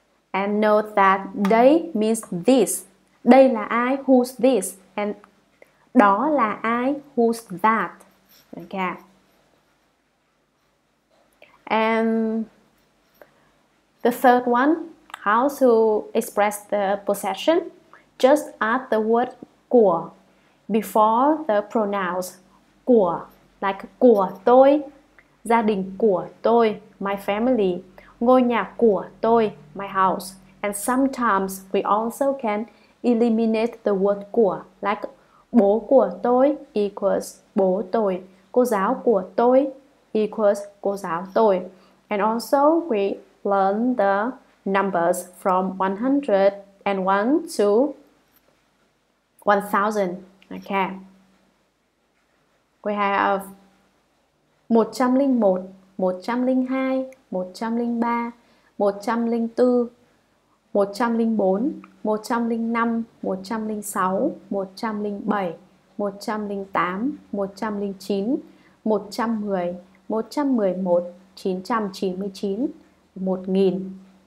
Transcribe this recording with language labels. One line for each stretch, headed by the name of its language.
English: And note that they means this.
Vietnamese: Đây là ai?
English: Who's this? And
Vietnamese: đó là ai?
English: Who's that? Okay. And the third one, how to express the possession? Just add the word của before the pronouns.
Vietnamese: Của,
English: like
Vietnamese: của tôi, gia đình của tôi,
English: my family.
Vietnamese: Ngôi nhà của tôi,
English: my house. And sometimes we also can eliminate the word
Vietnamese: của,
English: like
Vietnamese: bố của tôi
English: equals
Vietnamese: bố tôi, cô giáo của tôi equals cô giáo tôi.
English: And also we learn the numbers from 101 to 1000. Okay. We have 101, 102, 103, 104, 104, 105, 106, 107, 108, 109, 110, 111, 999, 1000.